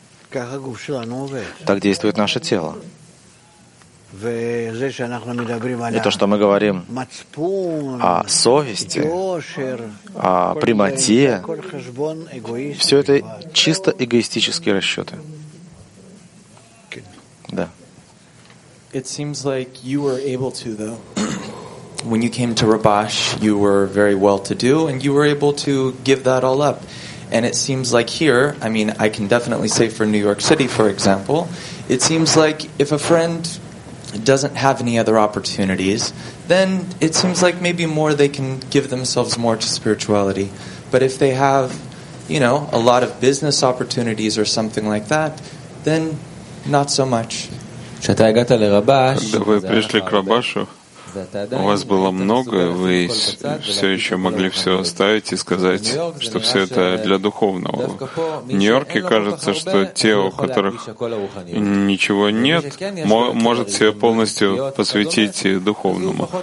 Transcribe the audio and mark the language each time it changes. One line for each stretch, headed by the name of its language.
Russian: Так действует наше тело. И то, что мы говорим о совести, о прямоте, все это чисто эгоистические расчеты. Да.
English: It seems like you were able to, though. When you came to Rabash, you were very well-to-do, and you were able to give that all up. And it seems like here, I mean, I can definitely say for New York City, for example, it seems like if a friend doesn't have any other opportunities, then it seems like maybe more they can give themselves more to spirituality. But if they have, you know, a lot of business opportunities or something like that, then not so much.
Russian: Когда вы пришли к Рабашу, у вас было много, вы все еще могли все оставить и сказать, что все это для духовного. В Нью-Йорке кажется, что те, у которых ничего нет, может себе полностью посвятить духовному.